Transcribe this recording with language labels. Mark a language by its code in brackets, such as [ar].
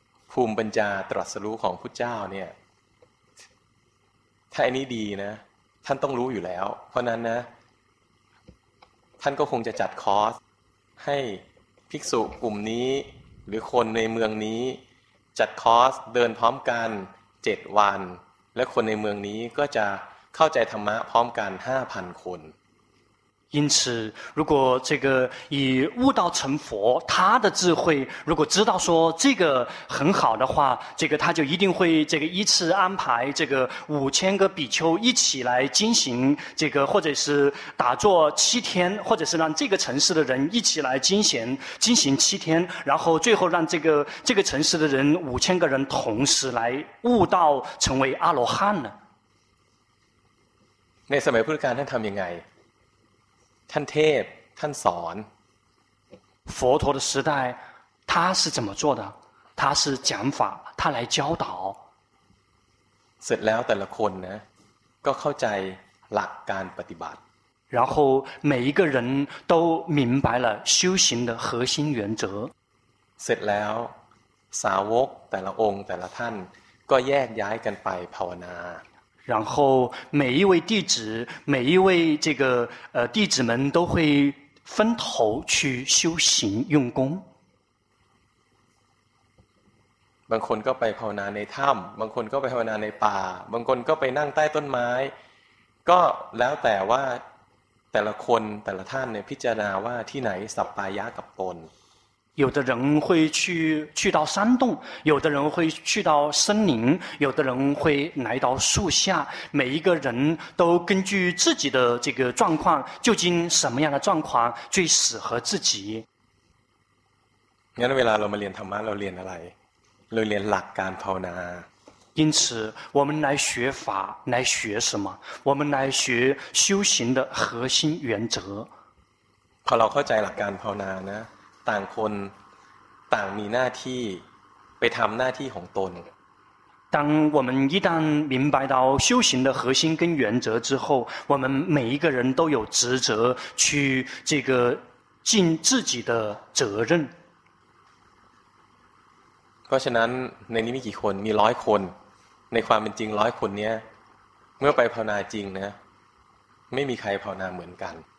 [th] ภูมิปัญญาตรัสรู้ของพุทธเจ้าเนี่ยถ้าอันนี้ดีนะท่านต้องรู้อยู่แล้วเพราะนั้นนะท่านก็คงจะจัดคอร์สให้ภิกษุกลุ่มนี้หรือคนในเมืองนี้จัดคอร์สเดินพร้อมกัน7วันและคนในเมืองนี้ก็จะเข้าใจธรรมะพร้อมกัน 5,000 คน [zh] 因此如果这个以悟道成佛他的智慧如果知道说这个很好的话这个他就一定会这个依次安排这个5000个比丘一起来进行这个或者是打坐7天或者是让这个城市的人一起来进行7天然后最后让这个城市的人5000个人同时来悟道成为阿罗汉呢 [th] 那สมัยพุทธกาลท่านทำยังไงท่านเทพท่านสอน [zh] 佛陀的时代他是怎么做的他是讲法他来教导 [th] เสร็จแล้วแต่ละคนนะก็เข้าใจหลักการปฏิบัติ [zh] 然后每一个人都明白了修行的核心原则 [th] เสร็จแล้วสาวกแต่ละองค์แต่ละท่านก็แยกย้ายกันไปภาวนา [zh] 然后每一位弟子每一位这个弟子们都会分头去修行用功 [th] บางคนก็ไปภาวนาในถ้ำบางคนก็ไปภาวนาในป่าบางคนก็ไปนั่งใต้ต้นไม้ก็แล้วแต่ว่าแต่ละคนแต่ละท่านเนี่ยพิจารณาว่าที่ไหนสัปปายะกับตน [zh] 有的人会去到山洞，有的人会去到森林，有的人会来到树下。每一个人都根据自己的这个状况，究竟什么样的状况最适合自己？ [th] งั้นเวลาเรามาเรียนธรรมะเราเรียนอะไรเราเรียนหลักการภาวนา [zh] 因此我们来学法来学什么我们来学修行的核心原则 [th] พอเราเข้าใจหลักการภาวนานะต่างคนต่างมีหน้าที่ไปทำหน้าที่ของตน [zh] 当我们一旦明白到修行的核心跟原则之后我们每一个人都有职责去这个尽自己的责任 [th] เพราะฉะนั้นในนี้มีกี่คนมี100คนในความเป็นจริง100คนเนี้ยเมื่อไปภาวนาจริงนะไม่มีใครภาวนาเหมือนกัน